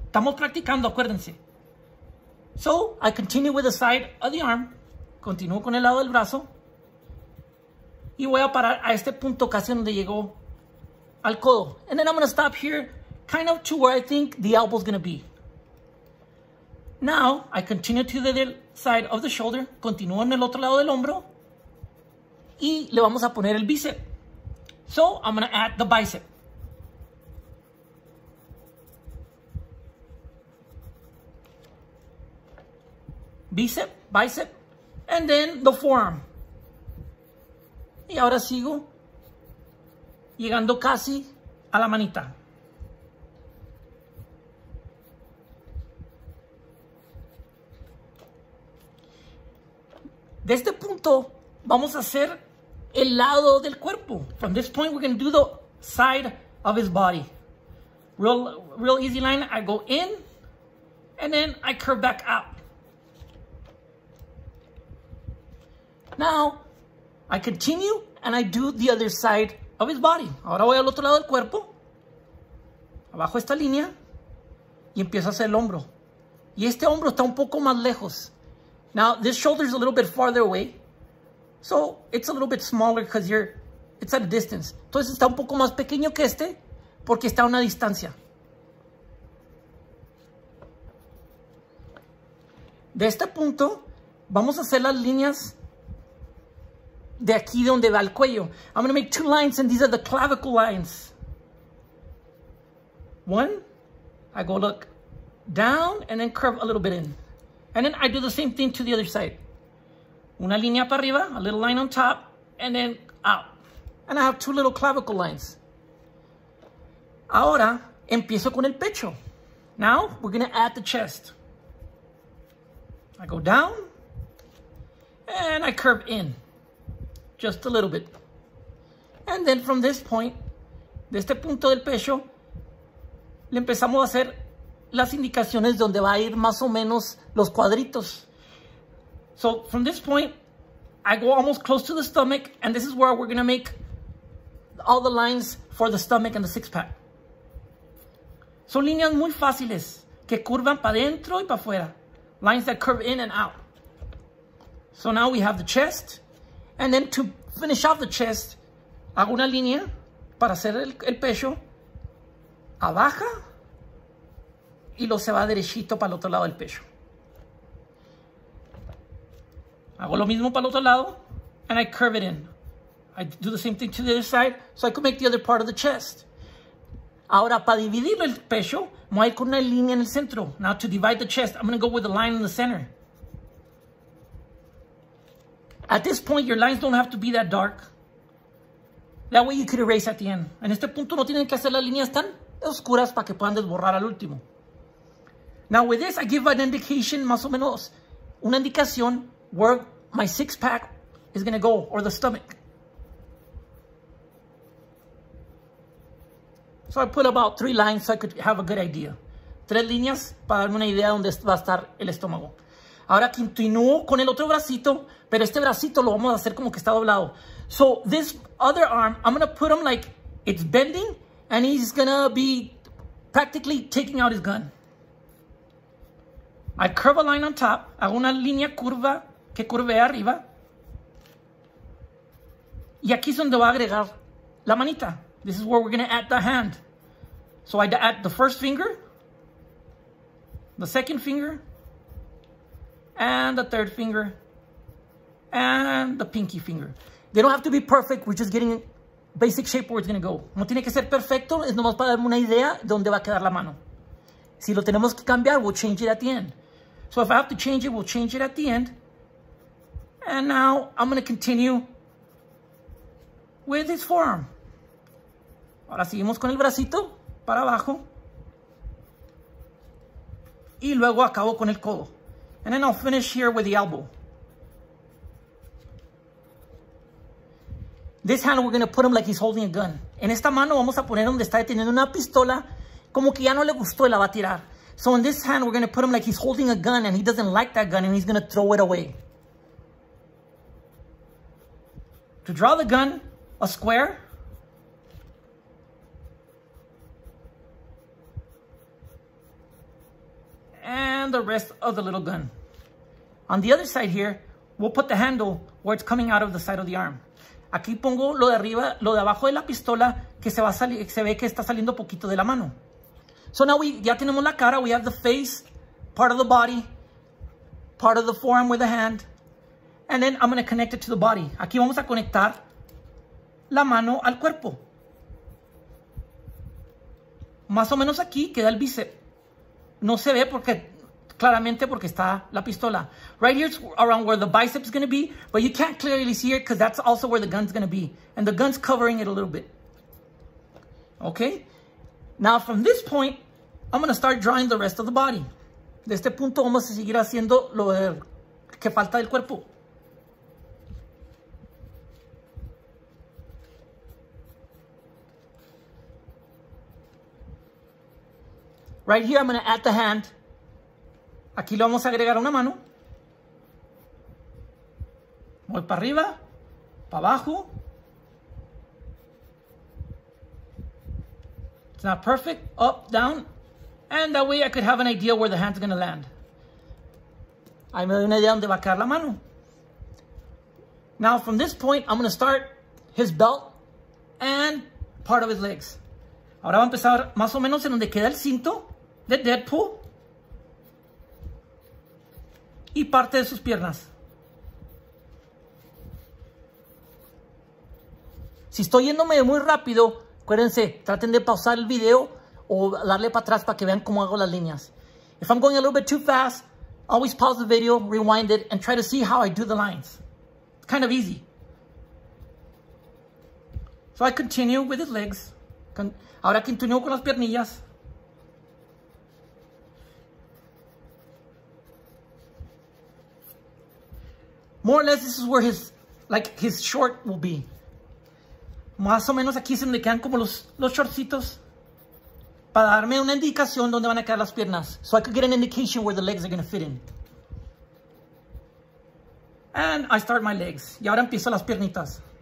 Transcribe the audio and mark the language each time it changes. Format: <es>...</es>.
<es>Estamos practicando, acuérdense.</es> <en>So, I continue with the side of the arm.</en> <es>Continúo con el lado del brazo. Y voy a parar a este punto casi donde llegó al codo.</es> <en>And then I'm going to stop here, kind of to where I think the elbow is going to be. Now, I continue to the side of the shoulder.</en> <es>Continúo en el otro lado del hombro. Y le vamos a poner el bíceps.</es> <en>So, I'm going to add the bicep. Bicep, bicep, and then the forearm.</en> <es>Y ahora sigo llegando casi a la manita. De este punto, vamos a hacer el lado del cuerpo.</es> <en>From this point, we're going to do the side of his body. Real easy line, I go in, and then I curve back out. Now, I continue and I do the other side of his body.</en> <es>Ahora voy al otro lado del cuerpo. Abajo esta línea. Y empiezo a hacer el hombro. Y este hombro está un poco más lejos.</es> <en>Now, this shoulder is a little bit farther away. So, it's a little bit smaller because it's at a distance.</en> <es>Entonces, está un poco más pequeño que este porque está a una distancia. De este punto, vamos a hacer las líneas de aquí donde va el cuello.</es> <en>I'm going to make two lines and these are the clavicle lines. One, I go look down and then curve a little bit in. And then I do the same thing to the other side.</en> <es>Una línea para arriba,</es> <en>a little line on top, and then out. And I have two little clavicle lines.</en> <es>Ahora, empiezo con el pecho.</es> <en>Now, we're going to add the chest. I go down, and I curve in, just a little bit. And then from this point,</en> <es>de este punto del pecho, le empezamos a hacer las indicaciones donde va a ir más o menos los cuadritos.</es> <en>So from this point, I go almost close to the stomach, and this is where we're going to make all the lines for the stomach and the six-pack.</en> <es>Son líneas muy fáciles que curvan para adentro y para afuera.</es> <en>Lines that curve in and out. So now we have the chest. And then to finish off the chest,</en> <es>hago una línea para hacer el pecho. Abaja. Y luego se va derechito para el otro lado del pecho. Hago lo mismo para el otro lado.</es> <en>And I curve it in. I do the same thing to the other side. So I could make the other part of the chest.</en> <es>Ahora, para dividir el pecho, voy a ir con una línea en el centro.</es> <en>Now, to divide the chest, I'm going to go with a line in the center. At this point, your lines don't have to be that dark. That way, you could erase at the end.</en> <es>En este punto, no tienen que hacer las líneas tan oscuras para que puedan desborrar al último.</es> <en>Now, with this, I give an indication,</en> <es>más o menos, una indicación</es> <en>where my six-pack is going to go, or the stomach. So I put about three lines so I could have a good idea.</en> <es>Tres líneas para darme una idea de dónde va a estar el estómago. Ahora continúo con el otro bracito, pero este bracito lo vamos a hacer como que está doblado.</es> <en>So this other arm, I'm going to put him like it's bending and he's going to be practically taking out his gun. I curve a line on top.</en> <es>Hago una línea curva que curve arriba. Y aquí es donde va a agregar la manita.</es> <en>This is where we're going to add the hand. So I add the first finger, the second finger, and the third finger, and the pinky finger. They don't have to be perfect. We're just getting basic shape where it's going to go.</en> <es>No tiene que ser perfecto. Es nomás para darme una idea de dónde va a quedar la mano. Si lo tenemos que cambiar,</es> <en>we'll change it at the end. So if I have to change it, we'll change it at the end. And now I'm going to continue with his forearm.</en> <es>Ahora seguimos con el bracito para abajo. Y luego acabo con el codo.</es> <en>And then I'll finish here with the elbow. This hand we're going to put him like he's holding a gun.</en> <es>En esta mano vamos a poner donde está deteniendo una pistola. Como que ya no le gustó y la va a tirar.</es> <en>So in this hand we're going to put him like he's holding a gun. And he doesn't like that gun and he's going to throw it away. To draw the gun a square. And the rest of the little gun. On the other side here, we'll put the handle where it's coming out of the side of the arm.</en> <es>Aquí pongo lo de arriba, lo de abajo de la pistola que se va a salir, se ve que está saliendo poquito de la mano.</es> <en>So now we</en> <es>ya tenemos la cara,</es> <en>we have the face, part of the body, part of the forearm with the hand, and then I'm going to connect it to the body.</en> <es>Aquí vamos a conectar la mano al cuerpo. Más o menos aquí queda el bíceps. No se ve porque claramente porque está la pistola.</es> <en>Right here's around where the bicep is going to be, but you can't clearly see it because that's also where the gun's going to be. And the gun's covering it a little bit. Okay? Now from this point, I'm going to start drawing the rest of the body.</en> <es>De este punto vamos a seguir haciendo lo que falta del cuerpo.</es> <en>Right here, I'm going to add the hand.</en> <es>Aquí le vamos a agregar una mano. Voy para arriba, para abajo.</es> <en>It's not perfect. Up, down. And that way I could have an idea where the hand's going to land.</en> <es>Ahí me doy una idea donde va a quedar la mano.</es> <en>Now, from this point, I'm going to start his belt and part of his legs.</en> <es>Ahora va a empezar más o menos en donde queda el cinto. The Deadpool. y parte de sus piernas. Si estoy yéndome muy rápido, acuérdense, traten de pausar el video o darle para atrás para que vean cómo hago las líneas.</es> <en>If I'm going a little bit too fast, always pause the video, rewind it, and try to see how I do the lines. It's kind of easy. So I continue with his legs.</en> <es>Ahora continúo con las piernillas.</es> <en>More or less, this is where his, like, his short will be.</en> <es>Más o menos aquí se me quedan como los shortcitos para darme una indicación dónde van a quedar las piernas.</es> <en>So I could get an indication where the legs are going to fit in. And I start my legs.</en> <es>Y ahora empiezo las piernitas.</es>